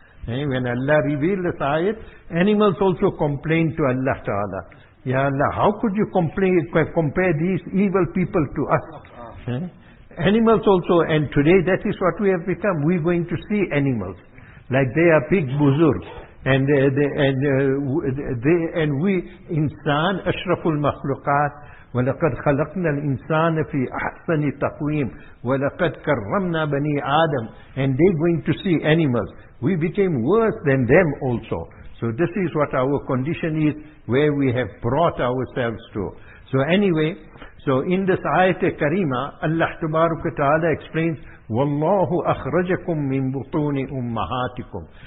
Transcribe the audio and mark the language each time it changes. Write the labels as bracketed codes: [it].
[en] When Allah revealed this ayat, animals also complained to Allah Ta'ala. Ya Allah, how could you compare these evil people to us? Animals also, and today that is what we have become. We are going to see animals. Like they are big buzurg. And we, insan, ashraful makhlukat, [ar] وَلَقَدْ خَلَقْنَا الْإِنسَانَ فِي أَحْسَنِ تَقْوِيمٍ وَلَقَدْ كَرَّمْنَا بَنِي آدَمٍ. [en] And they're going to see animals. We became worse than them also. So this is what our condition is, where we have brought ourselves to. So anyway, so in this ayat kareema, Allah tabaruk wa ta'ala explains, [ar] وَاللَّهُ أَخْرَجَكُمْ مِنْ بُطُونِ أُمَّهَاتِكُمْ.